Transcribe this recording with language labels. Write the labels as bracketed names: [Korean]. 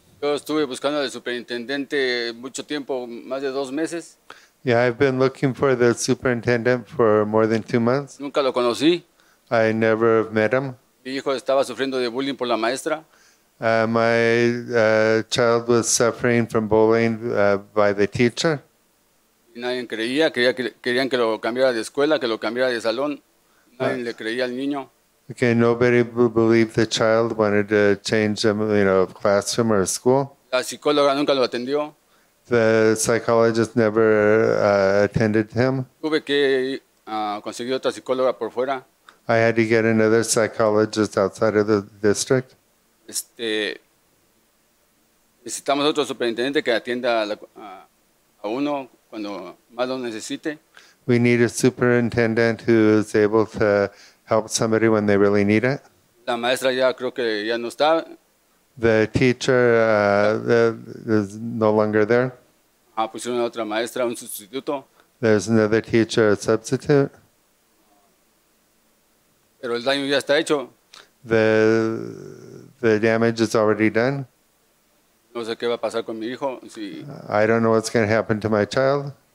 [Spanish] Yo estuve buscando al superintendente mucho tiempo, más de dos meses. [English] Yeah, I've been looking for the superintendent for more than 2 months. [Spanish] Nunca lo conocí. [English] I never met him. [Spanish] Mi hijo estaba sufriendo de bullying por la maestra. [English] My child was suffering from bullying by the teacher. [Spanish] Y nadie creía, querían que lo cambiara de escuela, que lo cambiara de salón. Nadie le creía al niño. [English] Okay, nobody believed the child wanted to change them, you know, classroom or school. [Spanish] La psicóloga nunca lo atendió. [English] The psychologist never attended him. [Spanish] Tuve que conseguir otra psicóloga por fuera. [English] I had to get another psychologist outside of the district. [Spanish] Este, necesitamos otro superintendente que atienda a uno cuando más lo necesite. [English] We need a superintendent who is able to help somebody when they really need it. [Spanish] La maestra ya creo que ya no está. [English] The teacher is no longer there. [Spanish] Ah, pusieron otra maestra, un sustituto. [English] There's another teacher, a substitute. [Spanish] Pero el daño ya está hecho. [English] The damage is already done. [Spanish] No sé qué va a pasar con mi hijo. Si [English] I don't know what's going to happen to my child.